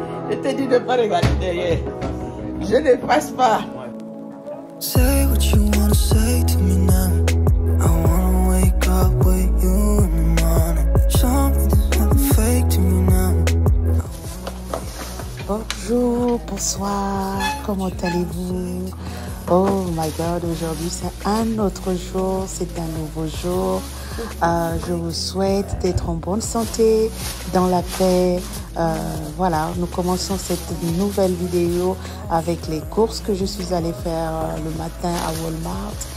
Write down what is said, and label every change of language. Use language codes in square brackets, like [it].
[fr] Je te dis de pas regarder derrière. Je ne passe pas. [en] Say what you wanna say to me now. I wanna wake up with you in the morning. Something that's not fake to me now. [fr] Bonjour, bonsoir, comment allez-vous? [en] Oh my god, [fr] aujourd'hui c'est un autre jour, c'est un nouveau jour. Je vous souhaite d'être en bonne santé, dans la paix. Voilà, nous commençons cette nouvelle vidéo avec les courses que je suis allée faire le matin à Walmart.